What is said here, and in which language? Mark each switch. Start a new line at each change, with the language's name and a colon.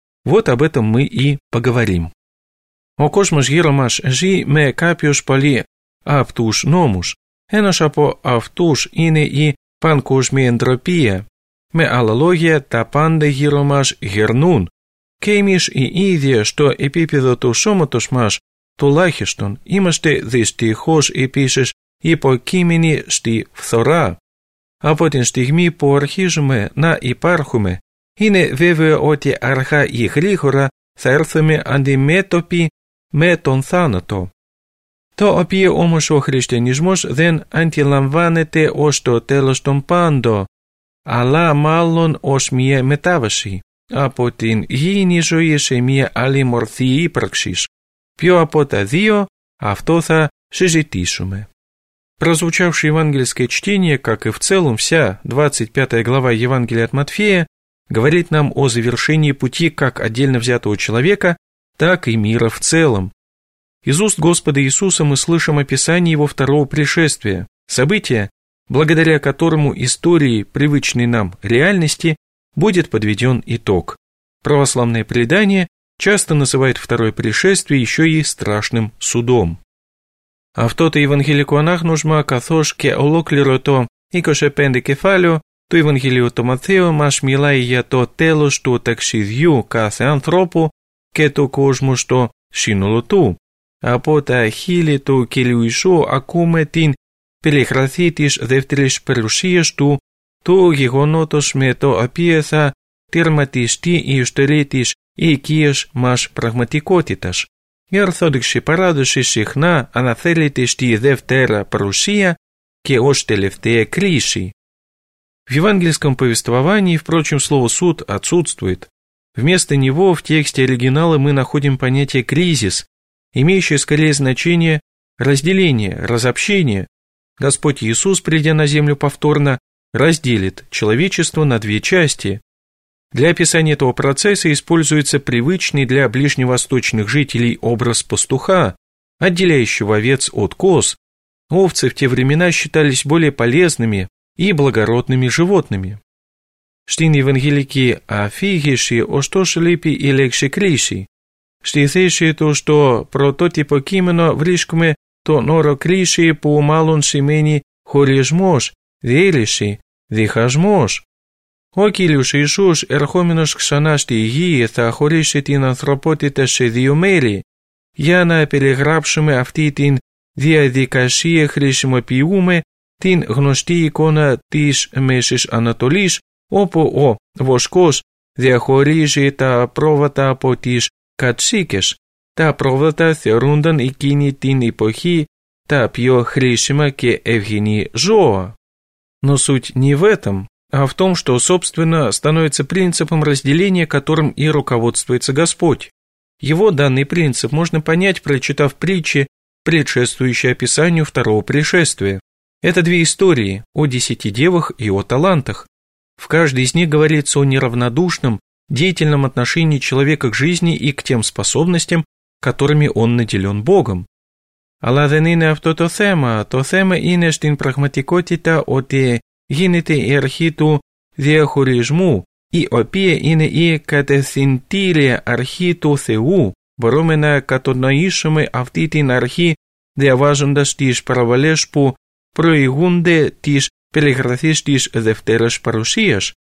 Russian: Вот об этом мы и поговорим.
Greek: «О космос гиромаш жи ме капиош пали автуш номуш, энош апо автуш ине и пан кожми энтропия, ме аллология та панде гиромаш гернун, кеймиш и идея, что эпипедо ту шоматош маш ту лахиштон, имаште дисти хош и пишеш и по кимени шти вторра. Από την στιγμή που αρχίζουμε να υπάρχουμε, είναι βέβαιο ότι αργά ή γρήγορα θα έρθουμε αντιμέτωποι με τον θάνατο, το οποίο όμως ο χριστιανισμός δεν αντιλαμβάνεται ως το τέλος των πάντων, αλλά μάλλον ως μια μετάβαση από την γήινη ζωή σε μια άλλη μορφή ύπαρξης. Ποιο από τα δύο, αυτό θα συζητήσουμε.
Russian: Прозвучавшее евангельское чтение, как и в целом вся 25 глава Евангелия от Матфея, говорит нам о завершении пути как отдельно взятого человека, так и мира в целом. Из уст Господа Иисуса мы слышим описание Его второго пришествия, события, благодаря которому истории, привычной нам реальности, будет подведен итог. Православное предание часто называет второе пришествие еще и страшным судом.
Greek: Αυτότε Ευαγγελικό ανάγνωσμα, καθώς και ολόκληρο το 25 κεφάλαιο του Ευαγγελίου του Ματθαίου μας μιλάει για το τέλος του ταξιδιού κάθε ανθρώπου και του κόσμου στο σύνολο του. Από τα χείλη του κυρίου Ιησού ακούμε την περιγραφή της δεύτερης παρουσίας του, του γεγονότος με το οποίο θα τερματιστεί η ιστορία της οικίας μας πραγματικότητας. Η Ορθόδοξη Παράδοση συχνά αναφέρεται στη Δευτέρα Παρουσία και ως τελευταία κρίση.
Russian: В евангельском повествовании, впрочем, слово «суд» отсутствует. Вместо него в тексте оригинала мы находим понятие «кризис», имеющее скорее значение «разделение», «разобщение». Господь Иисус, придя на землю повторно, разделит человечество на две части. Для описания этого процесса используется привычный для ближневосточных жителей образ пастуха, отделяющего овец от коз. Овцы в те времена считались более полезными и благородными животными.
Greek: Στην Ευαγγελική αφήγηση, ωστόσο, λείπει η λέξη κρίση. Στη θέση του στο πρωτότυπο κείμενο βρίσκουμε τον όρο κρίση που μάλλον σημαίνει χωρισμός, διέλυση, διχασμός. Ο Κύριος Ιησούς, ερχόμενος ξανά στη γη, θα χωρίσει την ανθρωπότητα σε δύο μέρη. Για να περιγράψουμε αυτή την διαδικασία χρησιμοποιούμε την γνωστή εικόνα της Μέσης Ανατολής, όπου ο βοσκός διαχωρίζει τα πρόβατα από τις κατσίκες. Τα πρόβατα θεωρούνταν εκείνη την εποχή τα πιο χρήσιμα και ευγενή ζώα.
Russian: Но суть не в этом, а в том, что, собственно, становится принципом разделения, которым и руководствуется Господь. Его данный принцип можно понять, прочитав притчи, предшествующие описанию второго пришествия. Это две истории о десяти девах и о талантах. В каждой из них говорится о неравнодушном, деятельном отношении человека к жизни и к тем способностям, которыми он наделен Богом.
Greek: Αλλά δεν είναι αυτό το θέμα. Το θέμα είναι στην πραγματικότητα ότι γίνεται η αρχή του διαχωρισμού, η οποία είναι η κατευθυντήρια αρχή του Θεού. Μπορούμε να κατανοήσουμε αυτή την αρχή διαβάζοντας τις παραβολές που προηγούνται της περιγραφής της Δευτέρας Παρουσίας.